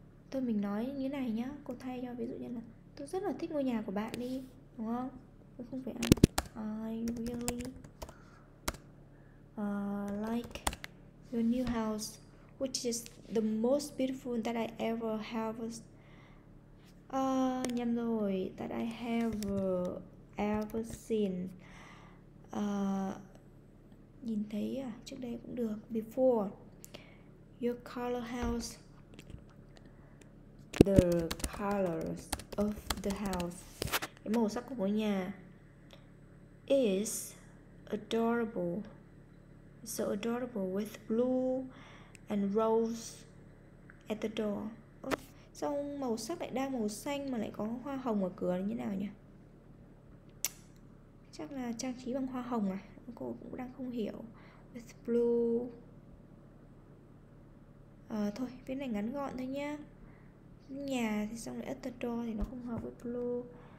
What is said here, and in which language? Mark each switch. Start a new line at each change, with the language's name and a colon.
Vietnamese: Thôi mình nói như này nhá. Cô thay cho ví dụ như là tôi rất là thích ngôi nhà của bạn đi, đúng không? Tôi không phải ăn.
English: I really like your new house, which is the most beautiful that I ever have.
Vietnamese: Nhầm rồi,
English: that I have ever seen.
Vietnamese: Nhìn thấy à, trước đây cũng được.
English: Before, your color house, the colors of the house,
Vietnamese: cái màu sắc của ngôi nhà,
English: is adorable. So adorable with blue and rose at the door.
Vietnamese: Sao màu sắc lại đa màu xanh mà lại có hoa hồng ở cửa như thế nào nhỉ? Chắc là trang trí bằng hoa hồng à? Cô cũng đang không hiểu.
English: With blue.
Vietnamese: Thôi, viết này ngắn gọn thôi nhá. Nhà thì xong lại
English: at the door
Vietnamese: thì nó không hợp với blue.